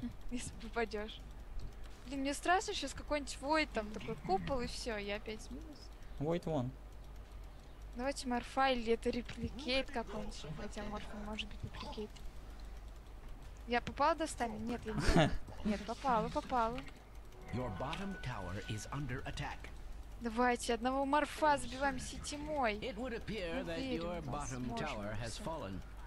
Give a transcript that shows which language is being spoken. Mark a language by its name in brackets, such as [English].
[Russian] Если попадешь. Блин, мне страшно, сейчас какой-нибудь войт там, такой купол и все, я опять минус. Войт вон. Давайте морфа или это репликейт какой-нибудь. Хотя морфа может быть репликейт. Я попала до стали? Нет, я не знаю. Нет, попала, попала. [English] Your bottom tower is under attack. [Russian] Давайте одного морфа забиваем сетимой. [English] It would appear that your bottom tower has fallen.